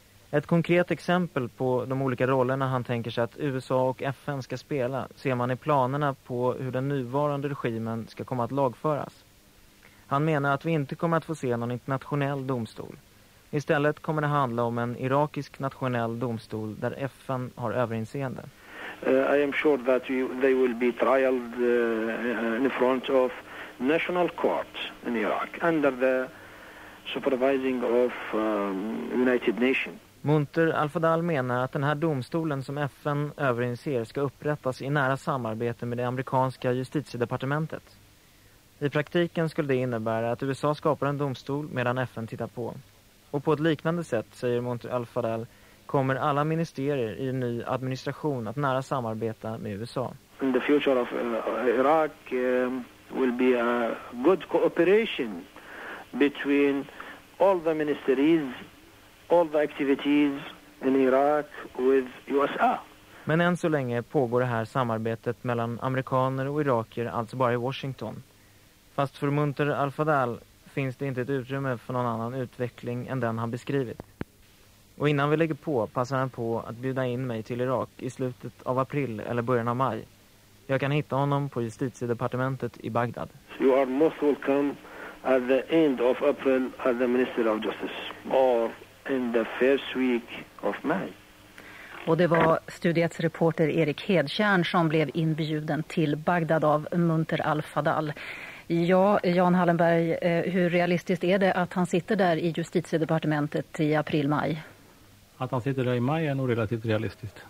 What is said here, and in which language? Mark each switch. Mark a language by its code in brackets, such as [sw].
[sv] Ett konkret exempel på de olika rollerna han tänker sig att USA och FN ska spela ser man i planerna på hur den nuvarande regimen ska komma att lagföras. Han menar att vi inte kommer att få se någon internationell domstol. Istället kommer det handla om en irakisk nationell domstol där FN har överinseende. [en] I am sure that they will be trialed in front of national court in Iraq under the supervising of United Nations. [sv] Munter Al-Fadal menar att den här domstolen som FN överinser ska upprättas i nära samarbete med det amerikanska justitiedepartementet. I praktiken skulle det innebära att USA skapar en domstol medan FN tittar på. Och på ett liknande sätt, säger Munter Al-Fadal, kommer alla ministerier i en ny administration att nära samarbeta med USA. [en] In the future of Iraq will be a good cooperation between all the ministries, all the activities in Iraq with USA. [sv] Men än så länge pågår det här samarbetet mellan amerikaner och iraker alltså bara i Washington. Fast för Munter Al-Fadal finns det inte ett utrymme för någon annan utveckling än den han beskrivit. Och innan vi lägger på passar han på att bjuda in mig till Irak i slutet av april eller början av maj. Jag kan hitta honom på justitiedepartementet i Bagdad. [en] You are most welcome at the end of April at the Minister of Justice or in the first week of May. [sv] Och det var studiets reporter Erik Hedtjärn som blev inbjuden till Bagdad av Munter Al-Fadal. Ja, Jan Hallenberg, hur realistiskt är det att han sitter där i justitiedepartementet i april-maj? Att han sitter där i maj är nog relativt realistiskt.